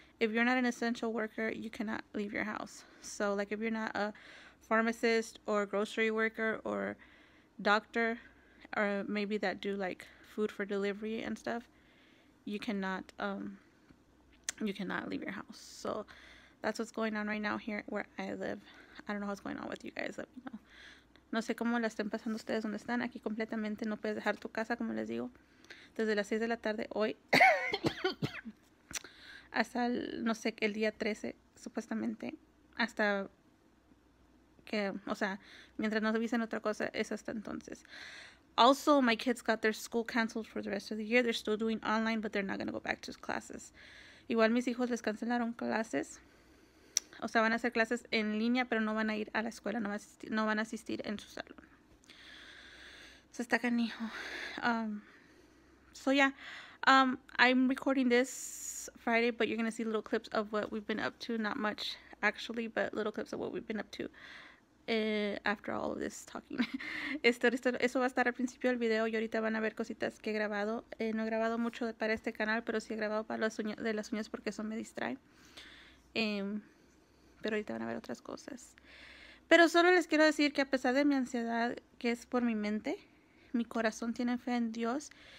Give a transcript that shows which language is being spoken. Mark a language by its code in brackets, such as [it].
[en] If you're not an essential worker, you cannot leave your house. So, like, if you're not a pharmacist or a grocery worker or doctor, or maybe that do, like, food for delivery and stuff, you cannot leave your house. So, that's what's going on right now here where I live. I don't know what's going on with you guys. Let me know. [es] No sé cómo la estén pasando ustedes donde están. Aquí completamente no puedes dejar tu casa, como les digo. Desde las 6 de la tarde hoy hasta el, no sé, el día 13, supuestamente, hasta que, o sea, mientras no avisen otra cosa, es hasta entonces. [en] Also, my kids got their school canceled for the rest of the year. They're still doing online, but they're not going to go back to classes. [es] Igual mis hijos les cancelaron clases. O sea, van a hacer clases en línea, pero no van a ir a la escuela, no van a asistir en su salón. Se está canijo. [en] So yeah, I'm recording this Friday, but you're gonna see little clips of what we've been up to. Not much, actually, but little clips of what we've been up to after all of this talking. [es] Eso va a estar al principio del video, y ahorita van a ver cositas que he grabado. No he grabado mucho para este canal, pero sí he grabado para las uñas, de las uñas, porque eso me distrae. Pero ahorita van a ver otras cosas. Pero solo les quiero decir que a pesar de mi ansiedad, que es por mi mente, mi corazón tiene fe en Dios.